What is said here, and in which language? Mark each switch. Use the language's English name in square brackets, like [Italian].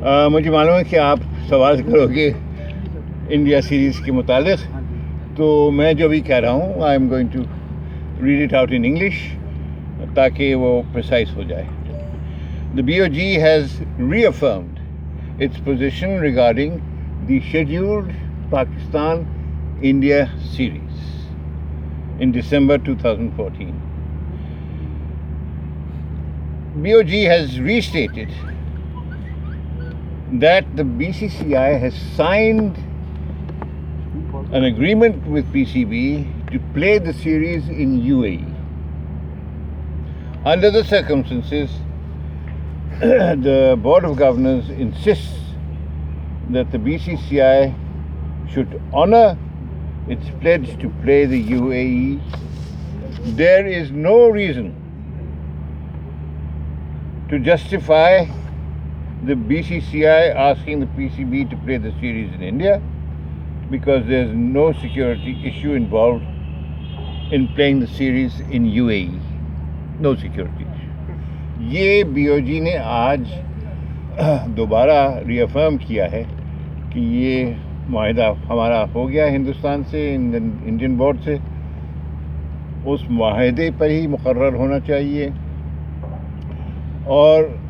[Urdu] مجھے معلوم ہے کہ آپ سوال کرو گے انڈیا سیریز کے متعلق, تو میں جو بھی کہہ رہا ہوں [English] I am going to read it out in English [Urdu] تاکہ وہ پریسائز ہو جائے. [English] The B O G has reaffirmed its position regarding the scheduled Pakistan India series in December 2014. B O G has restated that the BCCI has signed an agreement with PCB to play the series in UAE. Under the circumstances, the Board of Governors insists that the BCCI should honor its pledge to play the UAE. There is no reason to justify the BCCI asking the PCB to play the series in India because there's no security issue involved in playing the series in UAE. No security issue. [Urdu] یہ B O جی نے آج دوبارہ ری افرم کیا ہے کہ یہ معاہدہ ہمارا ہو گیا ہندوستان سے انڈین بورڈ سے, اس معاہدے پر ہی مقرر ہونا چاہیے اور